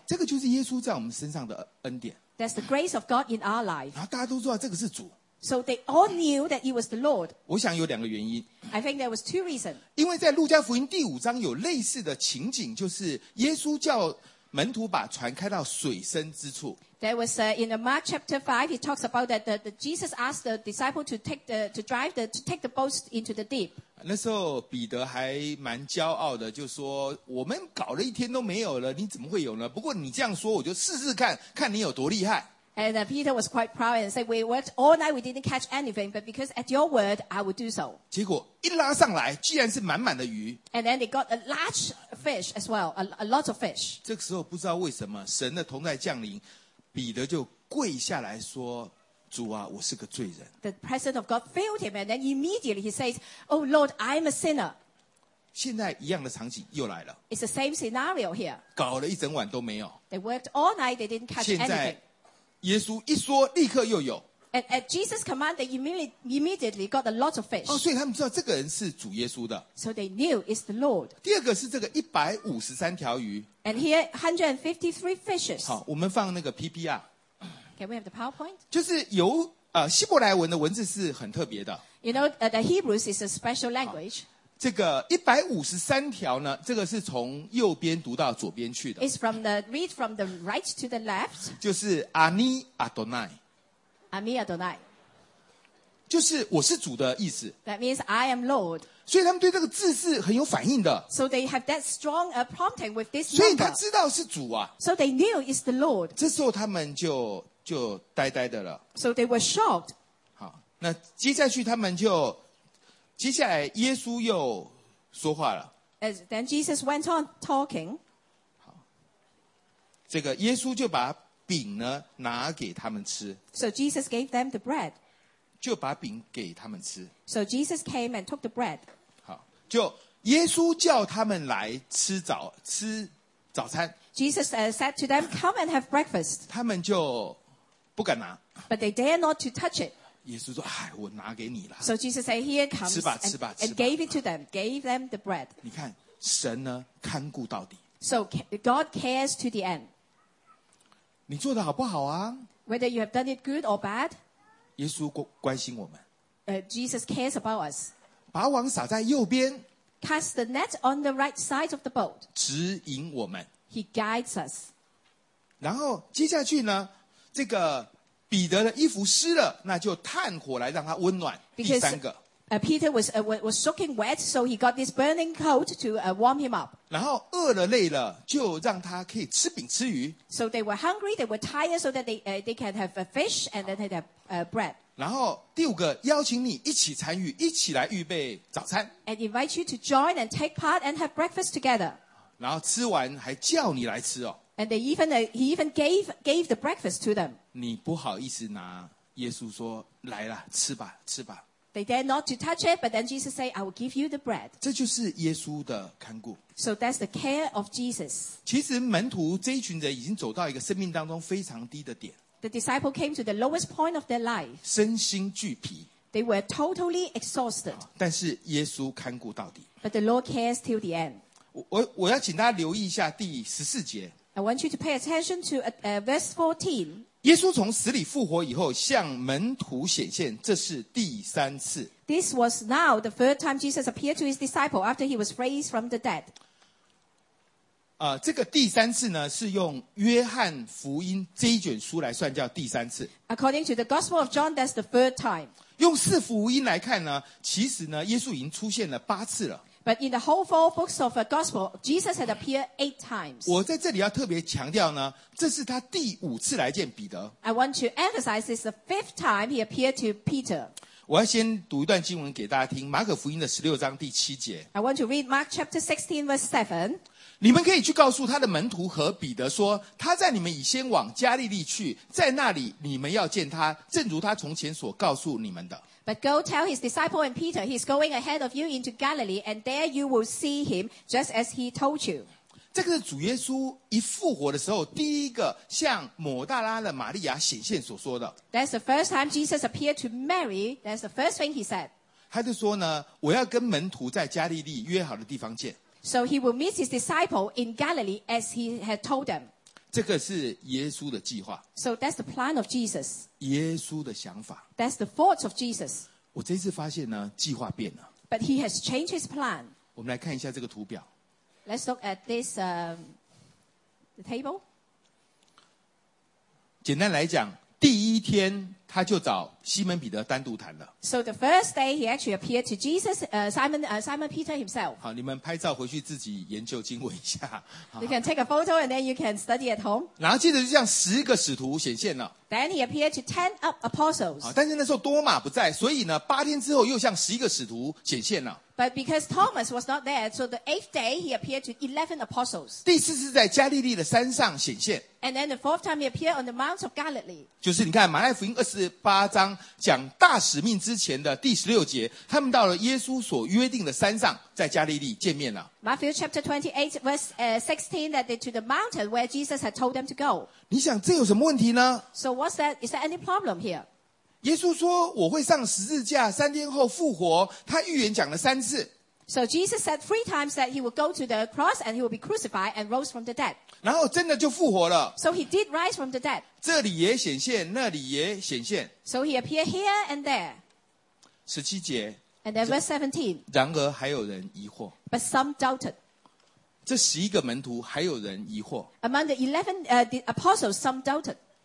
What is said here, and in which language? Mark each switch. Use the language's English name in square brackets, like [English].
[Chinese] 这个就是耶稣在我们身上的恩典。 [English] That's the grace of God in our life. [Chinese] 然后大家都知道这个是主。 [English] So they all knew that it was the Lord. [Chinese] 我想有两个原因。 [English] I think there was two reasons. [Chinese] 因为在路加福音第五章有类似的情景，就是耶稣叫门徒把船开到水深之处。 [English] There was in Mark chapter 5, he talks about that the Jesus asked the disciple to take the boat into the deep. [Chinese] 那时候彼得还蛮骄傲的，就说我们搞了一天都没有了，你怎么会有呢？不过你这样说，我就试试看看你有多厉害。 [English] And Peter was quite proud and said, "We worked all night, we didn't catch anything, but because at your word, I will do so." [Chinese] 结果一拉上来，居然是满满的鱼。 [English] And then they got a large fish as well, a lot of fish. [Chinese] 这个时候不知道为什么，神的同在降临，彼得就跪下来说：“ 主啊，我是个罪人。 [English] The presence of God filled him, and then immediately he says, "Oh Lord, I'm a sinner." [Chinese] 现在一样的场景又来了。 [English] It's the same scenario here. [Chinese] 搞了一整晚都没有。 [English] They worked all night. They didn't catch anything. [Chinese] 现在耶稣一说，立刻又有。 [English] And at Jesus' command, they immediately got a lot of fish. [Chinese] 哦，所以他们知道这个人是主耶稣的。 [English] So they knew it's the Lord. [Chinese] 第二个是这个153条鱼。 [English] And here, 153 fishes. [Chinese] 好，我们放那个 PPR。 [English] Can we have the PowerPoint? [Chinese] 就是由希伯来文的文字是很特别的。 [English] You know, the Hebrews is a special language. [Chinese] 这个153条呢，这个是从右边读到左边去的。 [English] It's from the, read from the right to the left. [Chinese] 就是 [Hebrew] Ani Adonai. Ami Adonai. [Chinese] 就是我是主的意思。 [English] That means I am Lord. [Chinese] 所以他们对这个字是很有反应的。 [English] So they have that strong prompting with this number. [Chinese] 所以他知道是主啊。 [English] So they knew it's the Lord. [Chinese] 这时候他们就呆呆的了。 [English] So they were shocked. [Chinese] 好，那接下去他们就，接下来耶稣又说话了。 [English] As then Jesus went on talking. [Chinese] 好，这个耶稣就把饼呢拿给他们吃。 [English] So Jesus gave them the bread. [Chinese] 就把饼给他们吃。 [English] So Jesus came and took the bread. [Chinese] 好，就耶稣叫他们来吃早餐。 [English] Jesus said to them, come and have breakfast. [Chinese] 他们就不敢拿。 [English] But they dare not to touch it. [Chinese] 耶稣说，哎，我拿给你了。 [English] So Jesus said, here comes. [Chinese] 吃吧，吃吧，吃吧。 [English] And gave it to them, gave them the bread. [Chinese] 你看，神呢，看顾到底。 [English] So God cares to the end. [Chinese] 你做的好不好啊 [English] ？Whether you have done it good or bad， [Chinese] 耶稣关心我们。 [English] Jesus cares about us。 [Chinese] 把网撒在右边。 [English] Cast the net on the right side of the boat。 [Chinese] 指引我们。 [English] He guides us。 [Chinese] 然后接下去呢，这个彼得的衣服湿了，那就炭火来让他温暖。 [English] Because, [Chinese] 第三个。 [English] Peter was soaking wet, so he got this burning coat to warm him up. [Chinese] 然后饿了累了，就让他可以吃饼吃鱼。 [English] So they were hungry, they were tired, so that they can have a fish and then they have bread. [Chinese] 然后第五个，邀请你一起参与，一起来预备早餐。 [English] And invite you to join and take part and have breakfast together. [Chinese] 然后吃完还叫你来吃哦。 [English] And they even he even gave the breakfast to them. [Chinese] 你不好意思拿，耶稣说来啦，吃吧，吃吧。 [English] They dare not to touch it, but then Jesus say, I will give you the bread. [Chinese] 这就是耶稣的看顾。 [English] So that's the care of Jesus. [Chinese] 其实门徒这一群人已经走到一个生命当中非常低的点。 [English] The disciple came to the lowest point of their life. [Chinese] 身心俱疲。 [English] They were totally exhausted. [Chinese] 但是耶稣看顾到底。 [English] But the Lord cares till the end. [Chinese] 我要请大家留意一下第十四节。 [English] I want you to pay attention to verse 14. [Chinese] 耶稣从死里复活以后向门徒显现，这是第三次。 [English] This was now the third time Jesus appeared to his disciple after he was raised from the dead. [Chinese] 这个第三次呢是用约翰福音这一卷书来算叫第三次。 [English] According to the Gospel of John, that's the third time. [Chinese] 用四福音来看呢，其实呢耶稣已经出现了八次了。 [English] But in the whole four books of the gospel, Jesus had appeared eight times. [Chinese] 我在这里要特别强调呢，这是他第五次来见彼得。 [English] I want to emphasize this is the fifth time he appeared to Peter. [Chinese] 我要先读一段经文给大家听，马可福音的16章第7节。 [English] I want to read Mark chapter 16 verse 7. [Chinese] 你们可以去告诉他的门徒和彼得说，他在你们以先往加利利去，在那里你们要见他，正如他从前所告诉你们的。 [English] But go tell his disciple and Peter, he's going ahead of you into Galilee, and there you will see him just as he told you. [Chinese] 这个是主耶稣一复活的时候第一个向抹大拉的玛利亚显现所说的。 [English] That's the first time Jesus appeared to Mary. That's the first thing he said. [Chinese] 他就说呢，我要跟门徒在加利利约好的地方见。 [English] So he will meet his disciple in Galilee as he had told them. [Chinese] 这个是耶稣的计划。 [English] So that's the plan of Jesus. [Chinese] 耶稣的想法。 [English] That's the thoughts of Jesus. [Chinese] 我这次发现呢，计划变了。 [English] But he has changed his plan. [Chinese] 我们来看一下这个图表。 [English] Let's look at this the table. [Chinese] 简单来讲，第一天他就找西门彼得单独谈了。 [English] So the first day he actually appeared to Jesus, Simon Peter himself. [Chinese] 好，你们拍照回去自己研究经文一下。 [English] You can take a photo and then you can study at home. [Chinese] 然后接着就像十个使徒显现了。 [English] Then he appeared to 10 apostles. [Chinese] 但是那时候多马不在，所以呢，八天之后又像十一个使徒显现了。 [English] But because Thomas was not there, so the eighth day he appeared to 11 apostles. [Chinese] 第四次在加利利的山上显现。 [English] And then the fourth time he appeared on the Mount of Galilee. [Chinese] 就是你看马太福音28章讲大使命之前的第16节，他们到了耶稣所约定的山上，在加利利见面了。 [English] Matthew chapter 28 verse 16 that they to the mountain where Jesus had told them to go. [Chinese] 你想这有什么问题呢？ [English] So what's that? Is there any problem here? [Chinese] 耶稣说我会上十字架三天后复活他预言讲了三次 [English] So Jesus said three times that he would go to the cross and he would be crucified and rose from the dead [Chinese] 然后真的就复活了 [English] So he did rise from the dead [Chinese] 这里也显现那里也显现 [English] So he appeared here and there [Chinese] 十七节 [English] And then verse 17 [Chinese] 然而还有人疑惑 [English] But some doubted [Chinese] 这十一个门徒还有人疑惑 [English] Among the 11 the apostles some doubted